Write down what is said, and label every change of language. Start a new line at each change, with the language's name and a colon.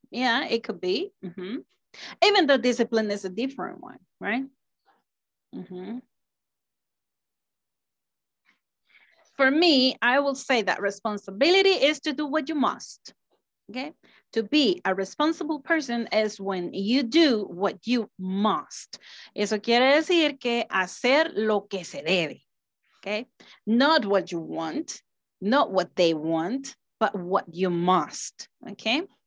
English: Yeah, it could be. Mm-hmm. Even though discipline is a different one, right? Mm-hmm. For me, I will say that responsibility is to do what you must, okay? To be a responsible person is when you do what you must.
Spanish: Eso quiere decir que hacer lo que se debe, okay?
English: Not what you want, not what they want, but what you must, okay?